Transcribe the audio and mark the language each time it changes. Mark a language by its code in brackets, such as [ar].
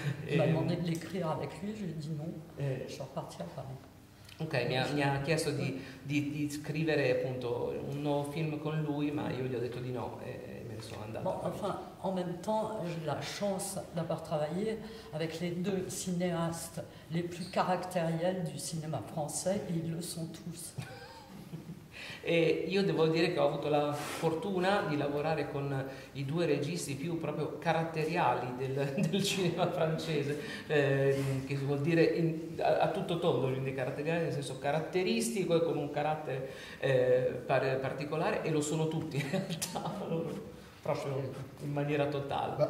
[fr] Mi ha demandé di l'écrire avec lui, je lui ai dit non, je suis reparti a Paris. [it] Ok, mi ha chiesto di scrivere appunto un nuovo film con lui, ma io gli ho detto di no e me ne sono andata. [fr] Bon, enfin, en même temps, j'ai la chance d'avoir travaillé avec les deux cinéastes les plus caractériels du cinéma français, et ils le sont tous. [it] E io devo dire che ho avuto la fortuna di lavorare con i due registi più proprio caratteriali del cinema francese, che vuol dire a tutto tondo, quindi caratteriali nel senso caratteristico e con un carattere particolare, e lo sono tutti in realtà, proprio in maniera totale.